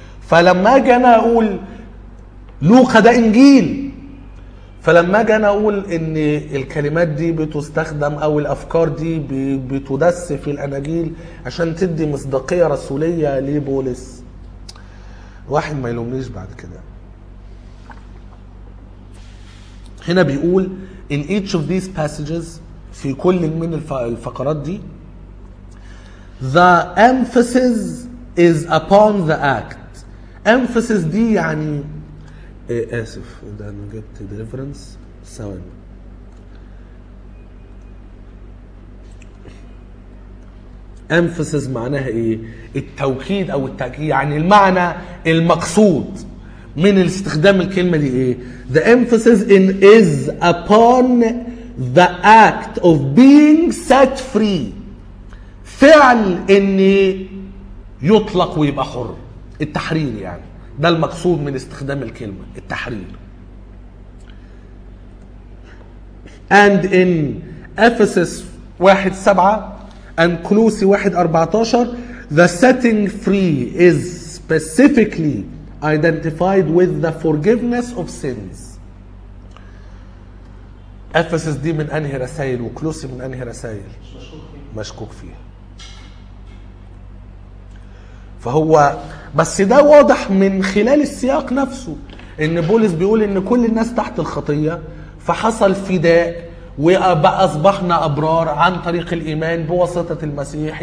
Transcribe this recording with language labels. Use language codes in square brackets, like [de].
[ar] فلما اجي انا اقول لوقا ده انجيل، فلما اجي انا اقول ان الكلمات دي بتستخدم او الافكار دي بتدس في الاناجيل عشان تدي مصداقية رسولية لبولس، واحد ما يلومنيش بعد كده. هنا بيقول [en] in each of these passages، [ar] في كل من الفقرات دي [en] the emphasis is upon the act. [ar] emphasis دي يعني إيه؟ آسف ده أنا جبت deliverance سوين. emphasis معناها إيه؟ التوكيد أو التأكيد، يعني المعنى المقصود من استخدام الكلمة دي إيه؟ [en] the emphasis in is upon the act of being set free. [ar] فعل اني يطلق ويبقى حر. التحرير يعني. ده المقصود من استخدام الكلمة. التحرير. [en] And in Ephesus 1:7 and Colossians 1:14, the setting free is specifically identified with the forgiveness of sins. [ar] Ephesus دي من أنهي رسائل وكلوسي من أنهي رسائل؟ مشكوك فيها. فهو بس ده واضح من خلال السياق نفسه إن بولس بيقول إن كل الناس تحت الخطية فحصل فداء وبقى أصبحنا أبرار عن طريق الإيمان بواسطة المسيح.